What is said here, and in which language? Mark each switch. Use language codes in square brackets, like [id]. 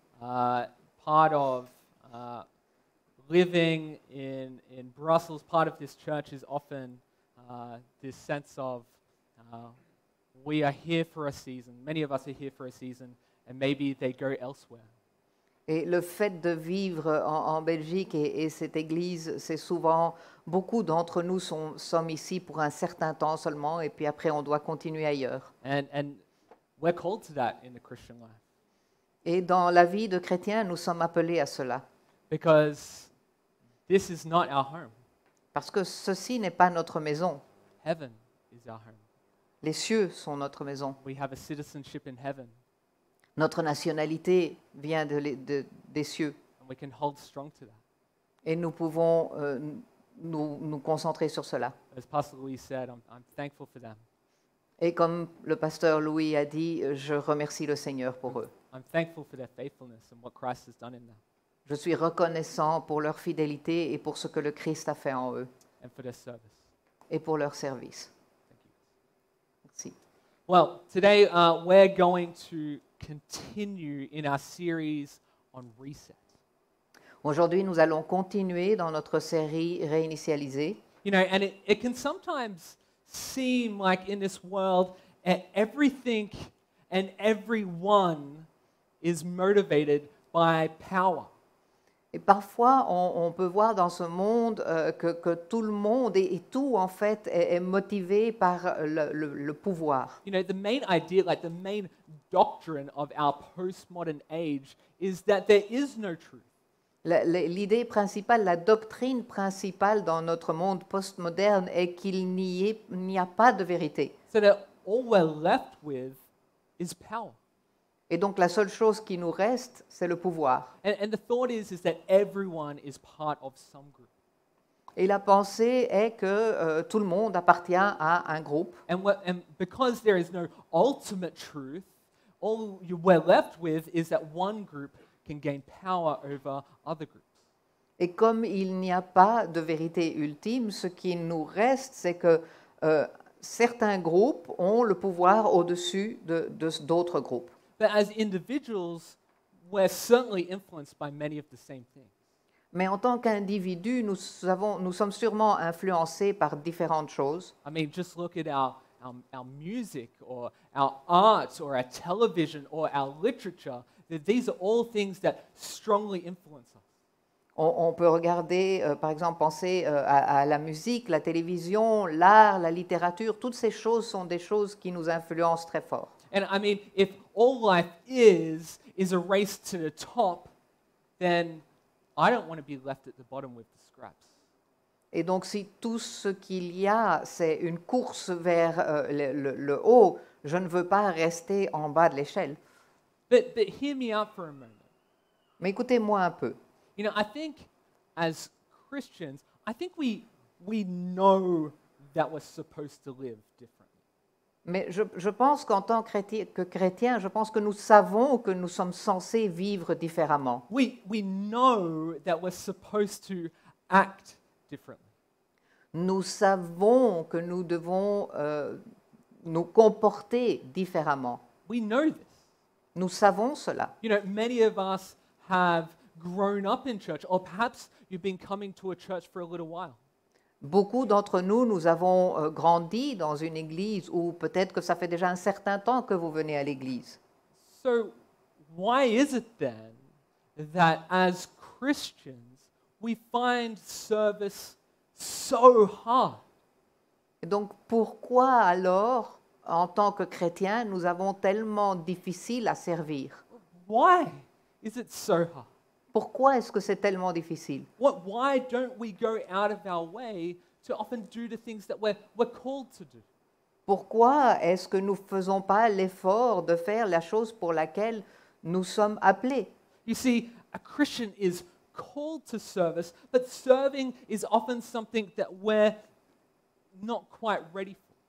[en] Part of living in Brussels, part of this church is often this sense of we are here for a season. Many of us are here for a season, and maybe they go elsewhere. [fr] Et le fait de vivre en Belgique et cette église, c'est souvent, beaucoup d'entre nous sommes ici pour un certain temps seulement, et puis après on doit continuer ailleurs. [en] And we're called to that in the Christian life. [fr] Et dans la vie de chrétien, nous sommes appelés à cela. [en] Because this is not our home. [fr] Parce que ceci n'est pas notre maison. [en] Heaven is our home. [fr] Les cieux sont notre maison. [en] We have a citizenship in heaven. [fr] Notre nationalité vient des cieux. [en] And we can hold strong to that. [fr] Et nous pouvons nous concentrer sur cela. [en] As Pastor Louis said, I'm thankful for them. [fr] Et comme le pasteur Louis a dit, je remercie le Seigneur pour eux. [en] I'm thankful for their faithfulness and what Christ has done in them. [fr] Je suis reconnaissant pour leur fidélité et pour ce que le Christ a fait en eux. [en] And for their service. [fr] Et pour leur service. [en] Thank you. [fr] Merci. [en] Well, today we're going to continue in our series on reset. [fr] Aujourd'hui, nous allons continuer dans notre série réinitialisée. [en] You know, and it can sometimes seem like in this world everything and everyone is motivated by power. [fr] Et parfois, on peut voir dans ce monde que tout le monde et tout en fait est motivé par le pouvoir. [en] You know, the main idea, like the main doctrine of our postmodern age, is that there is no truth. [fr] L'idée principale, la doctrine principale dans notre monde postmoderne est qu'il n'y a pas de vérité. [en] So that all we're left with is power. [fr] Et donc la seule chose qui nous reste, c'est le pouvoir. [en] And the thought is that everyone is part of some group. [fr] Et la pensée est que tout le monde appartient à un groupe. [en] And because there is no ultimate truth, all we're left with is that one group can gain power over other groups. [fr] Et comme il n'y a pas de vérité ultime, ce qui nous reste, c'est que certains groupes ont le pouvoir au-dessus de d'autres groupes. [en] But as individuals, we're certainly influenced by many of the same things. [fr] Mais en tant qu'individu, nous sommes sûrement influencés par différentes choses. [en] I mean, just look at our music, or our arts, or our television, or our literature. That these are all things that strongly influence us. [fr] On peut regarder, par exemple, penser à la musique, la télévision, l'art, la littérature. Toutes ces choses sont des choses qui nous influencent très fort. [en] And I mean, if all life is a race to the top, then I don't want to be left at the bottom with the scraps. [fr] Et donc, si tout ce qu'il y a, c'est une course vers le haut, je ne veux pas rester en bas de l'échelle. [en] But hear me out for a moment. [fr] Mais écoutez-moi un peu. [en] You know, I think as Christians, I think we know that we're supposed to live differently. [fr] Mais je pense qu'en tant que chrétien, je pense que nous savons que nous sommes censés vivre différemment. [en] We know that we're supposed to act differently. [fr] Nous savons que nous devons nous comporter différemment. [en] We know this. [fr] Nous savons cela. [en] You know, many of us have grown up in church, or perhaps you've been coming to a church for a little while. [fr] Beaucoup d'entre nous avons grandi dans une église, ou peut-être que ça fait déjà un certain temps que vous venez à l'église. [en] So, why is it then that as Christians we find service so hard? [fr] Et donc, pourquoi alors? En tant que chrétien, nous avons tellement difficile à servir. [en] Why is it so hard? [fr] Pourquoi est-ce que c'est tellement difficile? [en] Why don't we go out of our way to often do the things that we're called to do? [fr] Pourquoi est-ce que nous faisons pas l'effort de faire la chose pour laquelle nous sommes appelés? [en] You see, a Christian is called to service, but serving is often something that we're not quite ready for.